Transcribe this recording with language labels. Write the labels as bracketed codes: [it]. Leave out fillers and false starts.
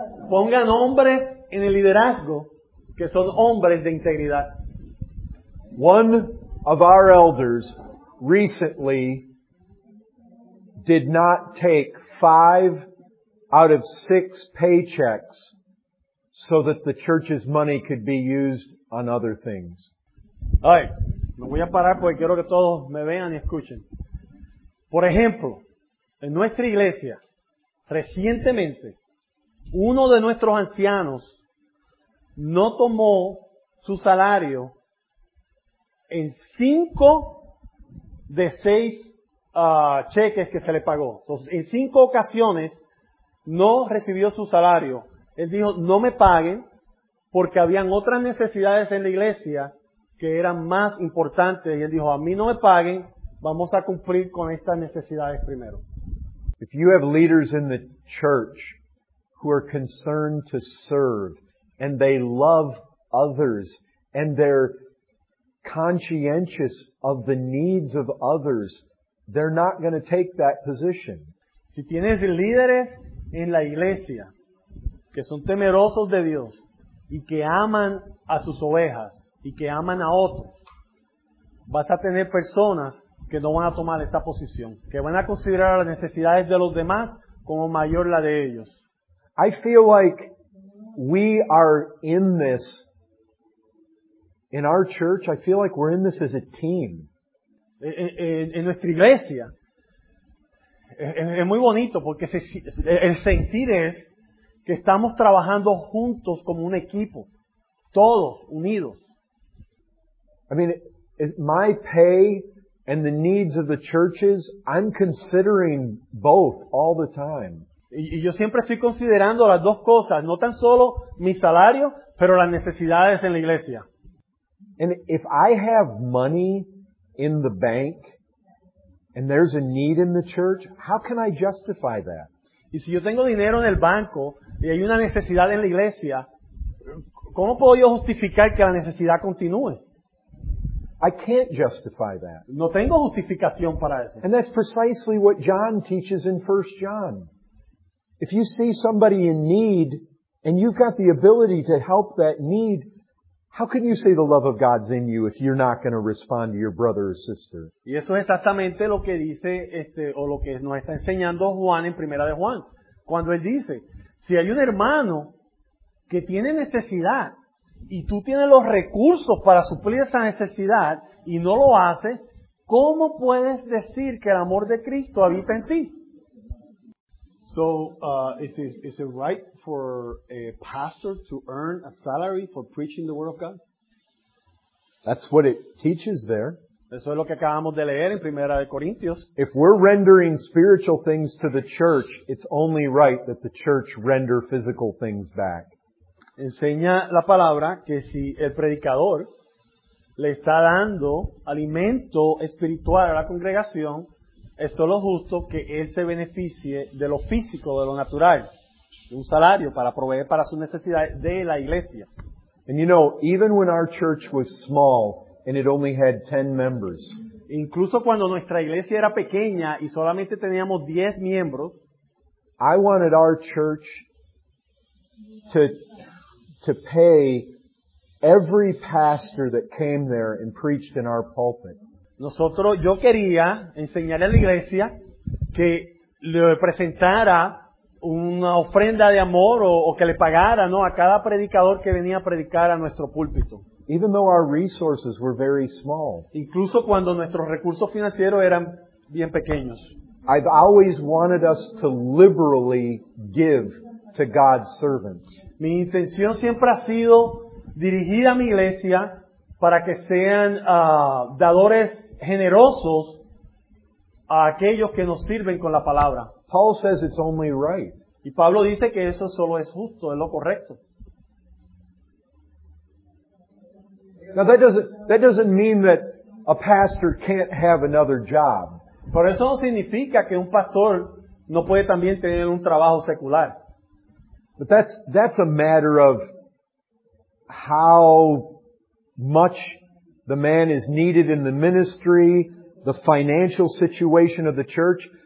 [es] Pongan hombres en el liderazgo que son hombres de integridad. [en] One of our elders recently did not take 5 out of 6 paychecks so that the church's money could be used on other things. All right. [es] Me voy a parar porque quiero que todos me vean y escuchen. Por ejemplo, en nuestra iglesia, recientemente, uno de nuestros ancianos no tomó su salario en 5 de 6 cheques que se le pagó. Entonces, en 5 ocasiones no recibió su salario. Él dijo, no me paguen porque habían otras necesidades en la iglesia que eran más importantes. Y él dijo, a mí no me paguen, vamos a cumplir con estas necesidades primero. [en] If you have leaders in the church who are concerned to serve and they love others and they're conscientious of the needs of others, they're not going to take that position. [es] Si tienes líderes en la iglesia que son temerosos de Dios y que aman a sus ovejas y que aman a otros, vas a tener personas que no van a tomar esa posición, que van a considerar las necesidades de los demás como mayor la de ellos. [en] I feel like we are in this in our church. I feel like we're in this as a team. [es] En nuestra iglesia es muy bonito porque el sentir es que estamos trabajando juntos como un equipo, todos unidos. [en] I mean, is my pay and the needs of the churches, I'm considering both all the time. [es] Y yo siempre estoy considerando las dos cosas, no tan solo mi salario, pero las necesidades en la iglesia. [en] And if I have money in the bank and there's a need in the church, how can I justify that? [es] Y si yo tengo dinero en el banco y hay una necesidad en la iglesia, ¿cómo puedo yo justificar que la necesidad continúe? [en] I can't justify that. [es] No tengo justificación para eso. [en] And that's precisely what John teaches in 1 John. If you see somebody in need and you've got the ability to help that need, how can you say the love of God's in you if you're not going to respond to your brother or sister? [es] Y eso es exactamente lo que dice o lo que nos está enseñando Juan en Primera de Juan. Cuando él dice, si hay un hermano que tiene necesidad y tú tienes los recursos para suplir esa necesidad y no lo haces, ¿cómo puedes decir que el amor de Cristo habita en ti? [en] So is it right for a pastor to earn a salary for preaching the word of God? That's what it teaches there. [es] Eso es lo que acabamos de leer en Primera de Corintios. [en] If we're rendering spiritual things to the church, it's only right that the church render physical things back. [es] Enseña la palabra que si el predicador le está dando alimento espiritual a la congregación, es solo justo que él se beneficie de lo físico, de lo natural, de un salario para proveer para sus necesidades de la iglesia. [en] And you know, even when our church was small and it only had 10 members, [es] incluso cuando nuestra iglesia era pequeña y solamente teníamos 10 miembros, [en] I wanted our church to pay every pastor that came there and preached in our pulpit. [es] Nosotros, yo quería enseñarle a la iglesia que le presentara una ofrenda de amor o que le pagara, ¿no?, a cada predicador que venía a predicar a nuestro púlpito. [en] Even though our resources were very small. [es] Incluso cuando nuestros recursos financieros eran bien pequeños. [en] I've always wanted us to liberally give to God's servants. [es] Mi intención siempre ha sido dirigir a mi iglesia para que sean dadores generosos a aquellos que nos sirven con la palabra. [en] Paul says it's only right. [es] Y Pablo dice que eso solo es justo, es lo correcto. [en] Now that doesn't mean that a pastor can't have another job. [es] Pero eso no significa que un pastor no puede también tener un trabajo secular. [en] But that's a matter of how much the man is needed in the ministry, the financial situation of the church.